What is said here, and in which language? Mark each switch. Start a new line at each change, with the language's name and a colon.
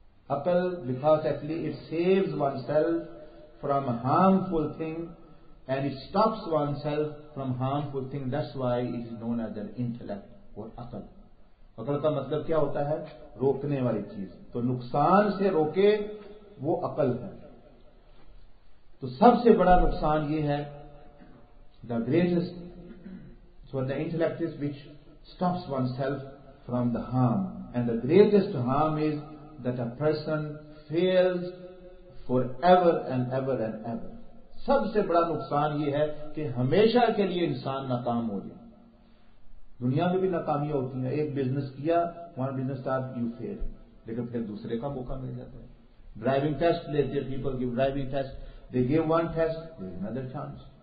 English: عقل because actually it saves oneself from harmful thing and it stops oneself from harmful thing, that's why it is known as an intellect اور عقل.
Urdu: عقل کا مطلب کیا ہوتا ہے؟ روکنے والی چیز، تو نقصان سے روکے وہ عقل ہے. تو سب سے بڑا نقصان یہ ہے
English: The greatest for the intellect is which stops oneself from the harm, and the greatest harm is that a person fails forever and ever and ever.
Urdu: سب سے بڑا نقصان یہ ہے کہ ہمیشہ کے لیے انسان ناکام ہو جائے. دنیا میں بھی ناکامیاں ہوتی ہیں، ایک بزنس کیا
English: one business start you fail,
Urdu: لیکن پھر دوسرے کا موقع مل جاتا ہے. ڈرائیونگ ٹیسٹ لیتے،
English: People give driving test, دے give one test اندر chance.